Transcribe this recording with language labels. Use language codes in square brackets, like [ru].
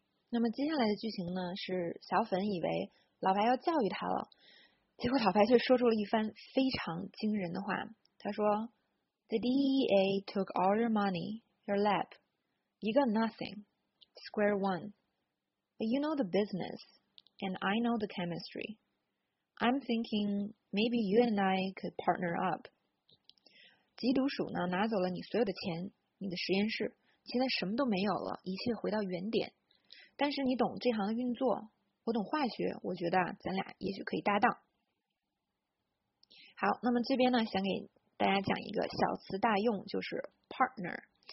[zh] 那么接下来的剧情呢，是小粉以为老白要教育他了，结果老白却说出了一番非常惊人的话。他说：“ [en] The DEA took all your money, your lab. You got nothing. Square one. But you know the business, and I know the chemistry. I'm thinking maybe you and I could partner up.” [zh] 缉毒鼠呢，拿走了你所有的钱，你的实验室，现在什么都没有了，一切回到原点。但是你懂这行的运作，我懂化学，我觉得咱俩也许可以搭档。好，那么这边呢，想给大家讲一个小词大用，就是 partner。